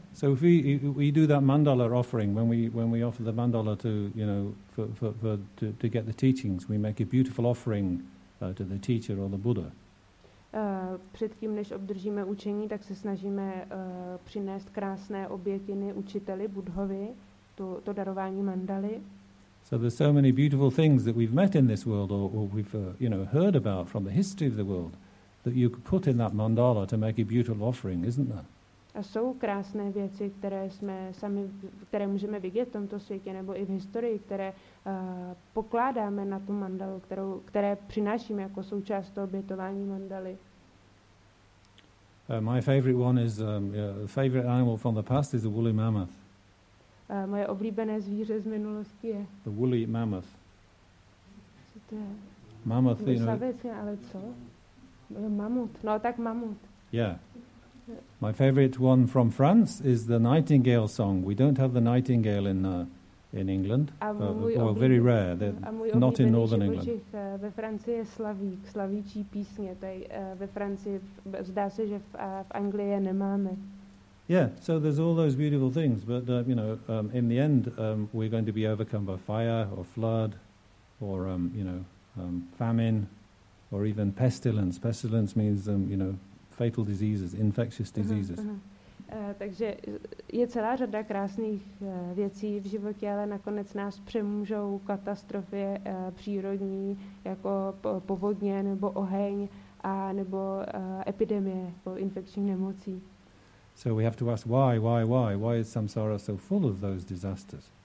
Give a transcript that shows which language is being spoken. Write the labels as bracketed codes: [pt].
[en] So if we do that mandala offering, when we offer the mandala to, you know, to get the teachings, we make a beautiful offering to the teacher or the Buddha. [cs] Předtím, než obdržíme učení, tak se snažíme přinést krásné obětiny učiteli Buddhovi, to darování mandaly. [en] So there's so many beautiful things that we've met in this world or we've you know, heard about from the history of the world that you could put in that mandala to make a beautiful offering, isn't there? [cs] A jsou krásné věci, které jsme sami, které můžeme vidět v tomto světě nebo i v historii, které pokládáme na tu mandalu, které přinášíme jako součást toho obětování mandaly. [en] My favorite one is favorite animal from the past is a woolly mammoth. [cs] Moje oblíbené zvíře z minulosti je. [en] The woolly mammoth. [cs] Co to je? [en] Mammoth, [cs] no, savec, [en] you know. [cs] Ale co? Mamut. No tak mamut. [en] Yeah. My favorite one from France is the nightingale song. We don't have the nightingale in England. Very rare. Not in northern England. [cs] Ve Francii je slavík, slavíčí písně. Tady ve Francii zdá se, že v Anglii je nemáme. [en] Yeah, so there's all those beautiful things, but you know, in the end we're going to be overcome by fire or flood or famine or even pestilence. Pestilence means you know, fatal diseases, infectious diseases. [cs] Takže je celá řada krásných věcí v životě, ale nakonec nás přemůžou katastrofy přírodní, jako povodně nebo oheň a nebo epidemie nebo infekční nemocí. [en] So we have to ask why is samsara so full of those disasters?